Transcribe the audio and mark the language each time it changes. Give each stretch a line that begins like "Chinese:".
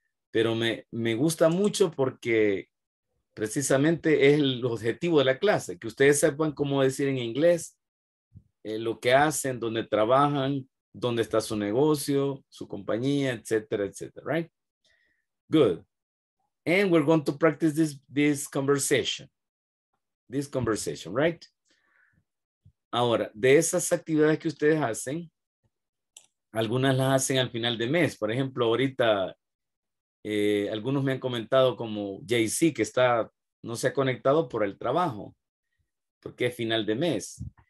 Spanish: Pero me gusta mucho porque precisamente es el objetivo de la clase, que ustedes sepan cómo decir en inglés lo que hacen, dónde trabajan, dónde está su negocio, su compañía, etcétera, etcétera, right?
English: Good. And we're going to practice this conversation, right?
Spanish: Ahora, de esas actividades que ustedes hacen, algunas las hacen al final de mes. Por ejemplo, ahorita algunos me han comentado como JC, que está, no se ha conectado por el trabajo, porque es final de mes.